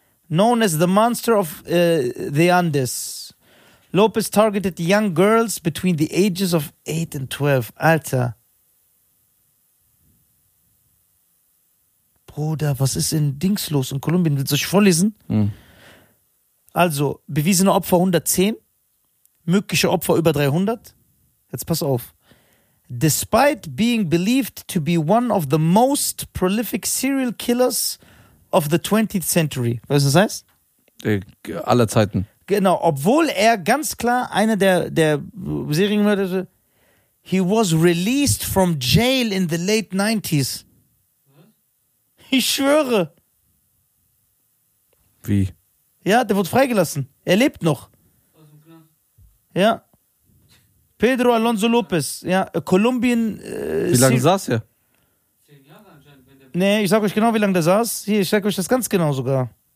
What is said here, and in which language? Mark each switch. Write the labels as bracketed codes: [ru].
[en] Known as the monster of the Andes. Lopez targeted young girls between the ages of 8 and 12. [de] Alter. Bruder, was ist in Dings los in Kolumbien? Willst du euch vorlesen? Hm. Also, bewiesene Opfer 110, mögliche Opfer über 300. Jetzt pass auf. [en] Despite being believed to be one of the most prolific serial killers of the 20th century. [de] Weißt du, was das heißt? Aller Zeiten. Genau, obwohl er ganz klar einer der Serienmörder ist. [en] He was released from jail in the late 90s. [de] Ich schwöre. Wie? Ja, der wurde freigelassen. Er lebt noch. Ja. Pedro Alonso Lopez, ja, Kolumbien. Wie lange saß er? 10 Jahre anscheinend. Nee, ich sag euch genau, wie lange der saß. Hier, ich sag euch das ganz genau sogar.